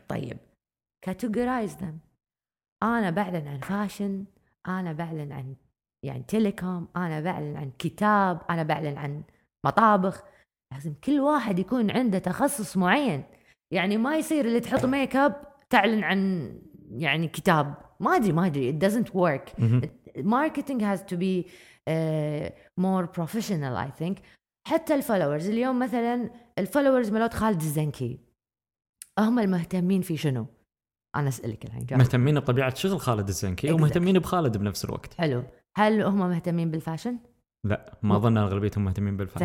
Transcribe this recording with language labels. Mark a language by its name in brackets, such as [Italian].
[Arabic] طيب كاتيجورايز ذم، انا بعلن عن فاشن، انا بعلن عن يعني تيليكوم، أنا بعلن عن كتاب، أنا بعلن عن مطابخ. لازم كل واحد يكون عنده تخصص معين. يعني ما يصير اللي تحط ميك اب تعلن عن يعني كتاب. ما أدري [English] it doesn't work. Marketing has to be more professional I think. [Arabic] حتى الفولورز اليوم مثلا الفولورز ملوت خالد الزنكي هم المهتمين في شنو؟ أنا أسألك الحين، مهتمين بطبيعة شغل خالد الزنكي ومهتمين بخالد بنفس الوقت. حلو، هل هم مهتمين بالفاشن؟ لا ما ظن اغلبيتهم مهتمين بالفاشن.